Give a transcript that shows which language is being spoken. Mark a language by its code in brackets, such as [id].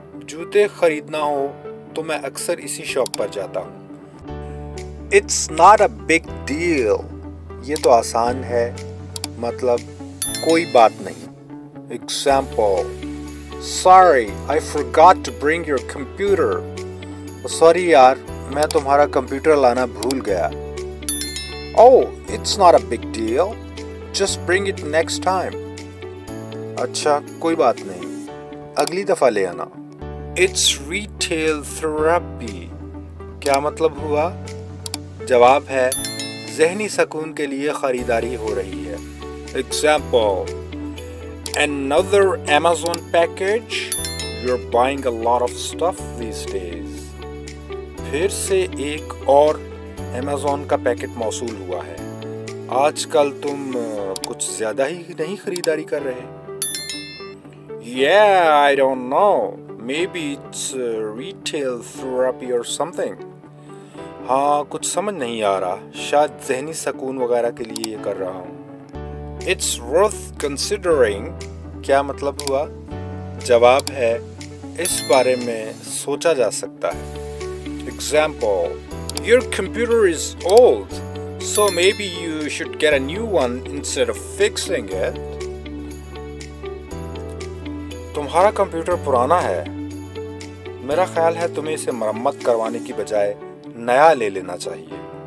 [hi] जूते खरीदना हो तो मैं अक्सर इसी शॉप पर जाता हूँ. [en] It's not a big deal. [hi] ये तो आसान है, मतलब कोई बात नहीं. [en] Example: Sorry, I forgot to bring your computer. [hi] Sorry यार, मैं तुम्हारा कंप्यूटर लाना भूल गया. [en] Oh, it's not a big deal. Just bring it next time. [hi] अच्छा, कोई बात नहीं, अगली दफा ले आना. [en] It's retail therapy. [hi] क्या मतलब हुआ? जवाब है, ज़हनी सकून के लिए खरीदारी हो रही है. [en] Example: Another Amazon package? You're buying a lot of stuff these days. [hi] फिर से एक और Amazon का पैकेट मौसूल हुआ है. आजकल तुम कुछ ज्यादा ही नहीं खरीदारी कर रहे? [en] Yeah, I don't know. Maybe it's retail therapy or something. [hi] हाँ, कुछ समझ नहीं आ रहा, शायद ज़हनी सकून वगैरह के लिए ये कर रहा हूँ. [en] It's worth considering. [hi] क्या मतलब हुआ? जवाब है, इस बारे में सोचा जा सकता है. [en] Example: Your computer is old, so maybe you should get a new one instead of fixing it. [hi] तुम्हारा कंप्यूटर पुराना है, मेरा ख्याल है तुम्हें इसे मरम्मत करवाने की बजाय नया ले लेना चाहिए.